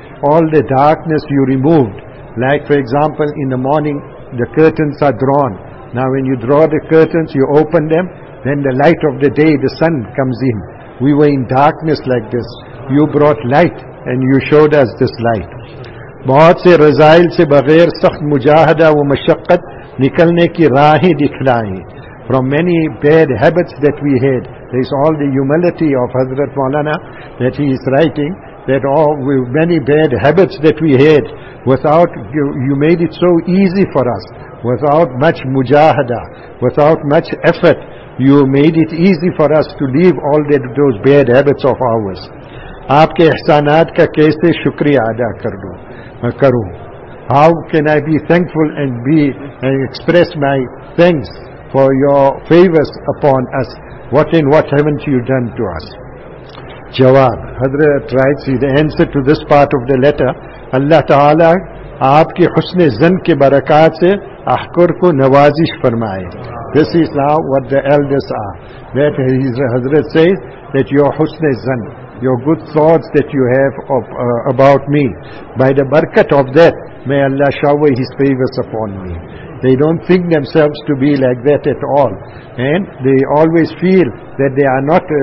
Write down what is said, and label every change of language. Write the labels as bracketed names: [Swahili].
[English] All the darkness you removed. Like for example, in the morning the curtains are drawn. Now when you draw the curtains, you open them, then the light of the day, the sun comes in. We were in darkness like this. You brought light and you showed us this light. [Urdu] بہت سے رزائل سے بغیر سخت مجاہدہ و مشقت نکلنے کی راہیں دکھلائیں. [English] From many bad habits that we had, there is all the humility of Hazrat Maulana that he is writing, that all with many bad habits that we had, without you made it so easy for us, without much mujahada, without much effort, you made it easy for us to leave all that, those bad habits of ours. [Urdu] آپ کے احسانات کا کیسے شکریہ ادا کروں. [English] How can I be thankful and be and express my thanks for your favors upon us? What and what haven't you done to us? جواب Hazrat writes the answer to this part of the letter. [Urdu] اللہ تعالیٰ آپ کے حسن زن کے برکات سے احقر کو نوازش فرمائے. [English] This is now what the elders are. That his Hazrat says that your حسن زن, your good thoughts that you have of about me, by the barakat of that, may Allah shower His favors upon me. They don't think themselves to be like that at all, and they always feel that they are not.